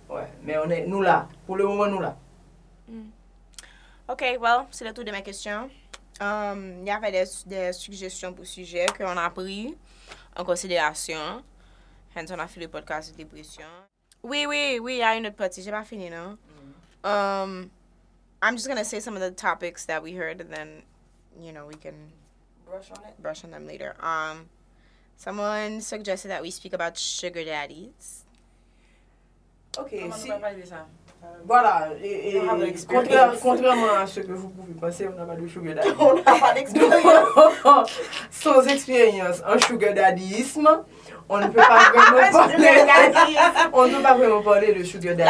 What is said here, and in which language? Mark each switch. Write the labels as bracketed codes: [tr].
[fr] Ouais, mais on est nous là, pour le moment nous là. [en] Ok, well, [fr] c'est le tour de mes questions. Il y avait des suggestions pour sujets qu'on a pris en considération. Hence on a fait le podcast de dépression. Oui, oui, oui, il y a une autre partie. J'ai pas fini, non? Mm-hmm. [en] I'm just going to say some of the topics that we heard and then, you know, we can brush on it. Brush on them later. Someone suggested that we speak about sugar daddies. [fr] Okay, si. Voilà, et contrairement à ce que vous pouvez penser, on n'a pas de sugar daddy. On n'a pas d'expérience. Sans expérience en sugar daddyisme, on ne peut pas vraiment parler. On ne peut pas vraiment parler de sugar daddy.